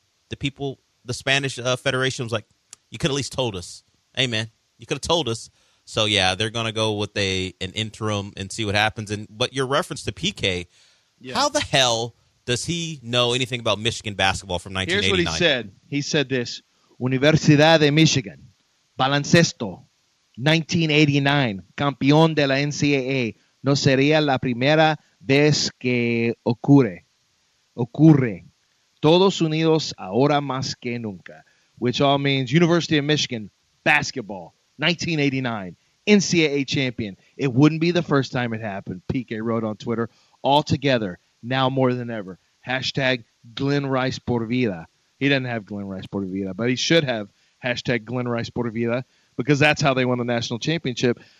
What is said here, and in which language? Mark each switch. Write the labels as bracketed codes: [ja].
[en] The Spanish Federation was like, you could at least told us. Hey, man, you could have told us. So, yeah, they're going to go with an interim and see what happens. But your reference to PK, how the hell does he know anything about Michigan basketball from 1989? Here's what he said. He said this, [es] Universidad de Michigan, Baloncesto, 1989, campeón de la NCAA. No sería la primera vez que ocurre. Todos unidos ahora más que nunca. [en] Which all means University of Michigan basketball, 1989, NCAA champion. It wouldn't be the first time it happened, PK wrote on Twitter. All together, now more than ever. Hashtag Glenn Rice [es] por vida. [en] He doesn't have Glenn Rice por vida, but he should have hashtag Glenn Rice por vida because that's how they won the national championship.